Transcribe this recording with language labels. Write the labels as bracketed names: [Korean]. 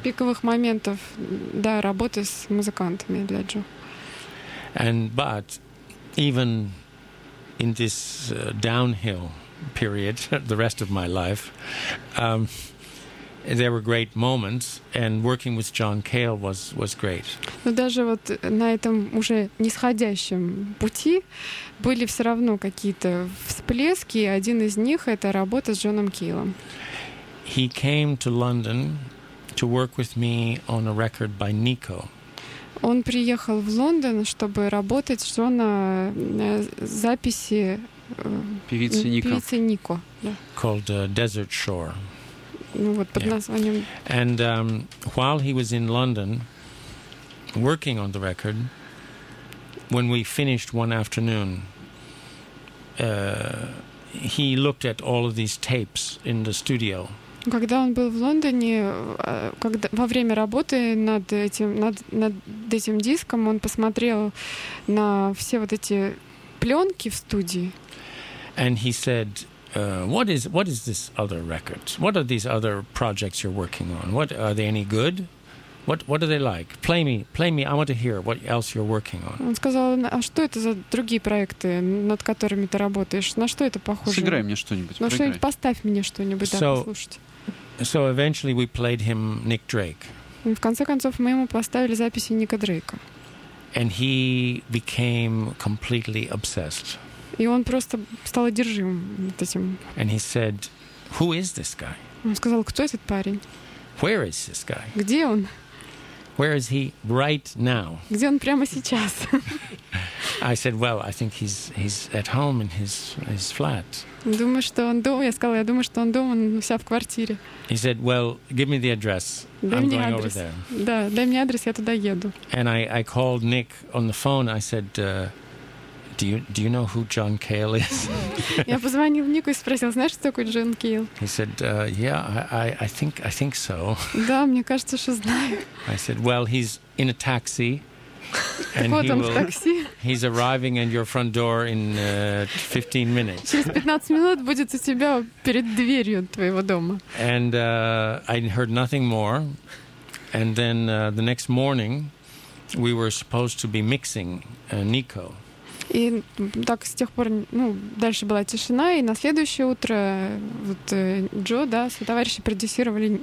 [Russian] Пиковых моментов, да, работы с музыкантами для Джо. [English] And but even in this downhill period the rest of my life there were great moments, and working with John Cale was great. [Russian] Но даже вот на этом уже нисходящем пути были все равно какие-то всплески, и один из них — это работа с Джоном Кейлом. [English] He came to London to work with me on a record by Nico. [Russian] Он приехал в Лондон, чтобы работать с Джона на записи певицы Нико. [English] Called Desert Shore. [Russian] Ну, вот, под названием. [English] And while he was in London working on the record, when we finished one afternoon, he looked at all of these tapes in the studio. [Russian] Когда он был в Лондоне, во время работы над этим диском, он посмотрел на все вот эти пленки в студии. [English] And he said, what is this other record? What are these other projects you're working on? What are they any good? What are they like? Play me. I want to hear what else you're working on. [Russian] Он сказал, а что это за другие проекты, над которыми ты работаешь? На что это похоже? Сыграй мне что-нибудь. Ну что-нибудь, поставь мне что-нибудь, да, послушать. [English] So eventually we played him Nick Drake. [Russian] И в конце концов мы ему поставили записи Ника Дрейка. [English] And he became completely obsessed. [Russian] И он просто стал одержим вот этим. [English] And he said, "Who is this guy?" [Russian] Он сказал, кто этот парень? [English] Where is this guy? [Russian] Где он? [English] Where is he right now? [Russian] Где он прямо сейчас? [English] I said, "Well, I think he's at home in his flat." [Russian] Думаю, что он дома. Я сказала, я думаю, что он дома, он вся в квартире. [English] He said, "Well, give me the address. [Russian] Дай [English] I'm going [Russian] адрес. [English] Over there." [Russian] Да, дай мне адрес, я туда еду. [English] And I called Nick on the phone. I said, Do you know who John Cale is? [Russian] Я позвонил Нику и спросил, знаешь, кто такой Джон Кейл? [English] He said, I think so. [Russian] Да, мне кажется, что знаю. [English] I said, well, he's in a taxi. [Russian] And вот он в такси. [English] He's arriving at your front door in 15 minutes. [Russian] Через 15 минут будет у тебя перед дверью твоего дома. [English] And I heard nothing more. And then the next morning, we were supposed to be mixing Nico. [Russian] И так с тех пор, ну, дальше была тишина, и на следующее утро вот Джо, да, свои товарищи продюсировали,